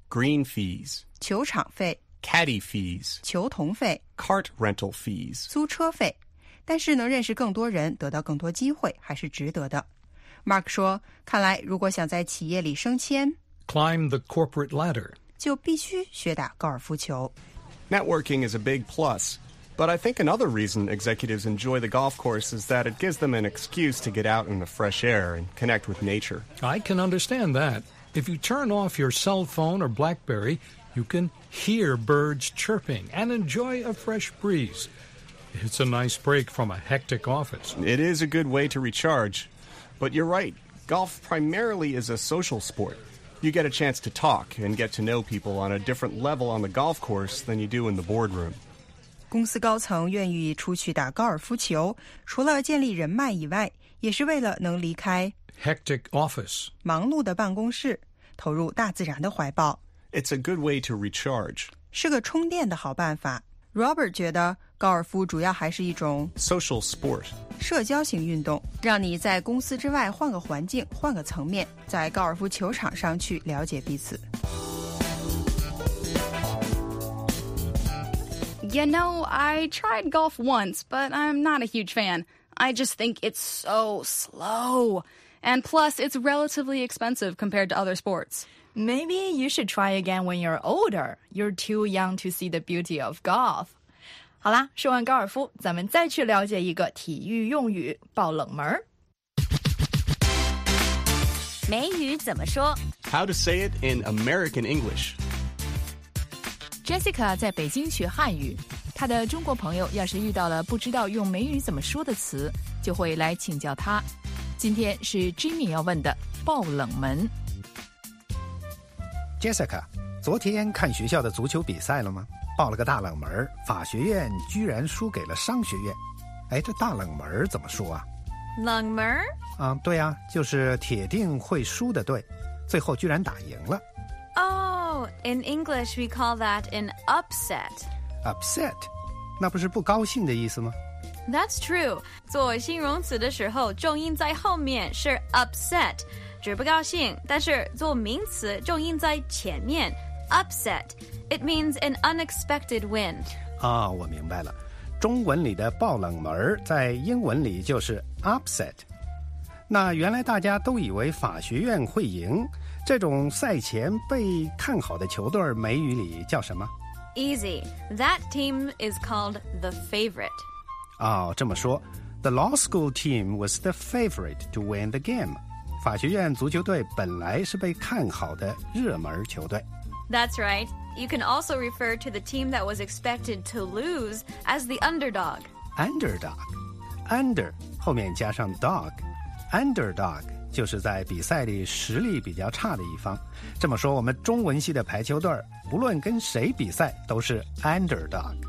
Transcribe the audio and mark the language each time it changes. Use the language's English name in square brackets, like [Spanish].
[English] Green fees [Chinese] 球场费。Caddy [English] fees [Chinese] 球童费。Cart [English] rental fees [Chinese] 租车费。但是能认识更多人,得到更多机会,还是值得的。Mark说,看来如果想在企业里升迁, [English] Climb the corporate ladder. [Chinese] 就必须学打高尔夫球。Networking [English] is a big plus, but I think another reason executives enjoy the golf course is that it gives them an excuse to get out in the fresh air and connect with nature. I can understand that. If you turn off your cell phone or BlackBerry, you can hear birds chirping and enjoy a fresh breeze. It's a nice break from a hectic office. It is a good way to recharge. But you're right. Golf primarily is a social sport. You get a chance to talk and get to know people on a different level on the golf course than you do in the boardroom. [Chinese] 公司高层愿意出去打高尔夫球, 除了建立人脉以外, 也是为了能离开 [English] hectic office, [Chinese] 忙碌的办公室, 投入大自然的怀抱。 [English] It's a good way to recharge. [Chinese] 是个充电的好办法。Robert觉得高尔夫主要还是一种 [English] social sport [Chinese] 社交型运动,让你在公司之外换个环境,换个层面,在高尔夫球场上去了解彼此。 [English] You know, I tried golf once, but I'm not a huge fan. I just think it's so slow. And plus, it's relatively expensive compared to other sports. Maybe you should try again when you're older. You're too young to see the beauty of golf. [Chinese] 好啦，说完高尔夫，咱们再去了解一个体育用语，爆冷门。美语怎么说？ [English] How to say it in American English. [Chinese] Jessica 在北京学汉语，她的中国朋友要是遇到了不知道用美语怎么说的词，就会来请教她。今天是 Jimmy 要问的爆冷门。 Jessica, 昨天看学校的足球比赛了吗？爆了个大冷门，法学院居然输给了商学院。哎，这大冷门怎么说啊？冷门？对啊，就是铁定会输的队，最后居然打赢了。 [English] Oh, in English we call that an upset. Upset? [Chinese] 那不是不高兴的意思吗？ [English] That's true. [Chinese] 做形容词的时候，重音在后面是 upset，指不高兴，但是做名词重音在前面 [English] upset it means an unexpected win [Chinese] 啊、哦，我明白了，中文里的爆冷门在英文里就是 upset。那原来大家都以为法学院会赢，这种赛前被看好的球队美语里叫什么？ [English] Easy, that team is called the favorite。 [Chinese] 哦，这么说 [English] The law school team was the favorite to win the game。 [Chinese] 法学院足球队本来是被看好的热门球队。 [English] That's right. You can also refer to the team that was expected to lose as the underdog. Underdog. Under [Chinese] 后面加上 [English] dog. [Chinese] Underdog 就是在比赛里实力比较差的一方。这么说，我们中文系的排球队不论跟谁比赛都是 underdog。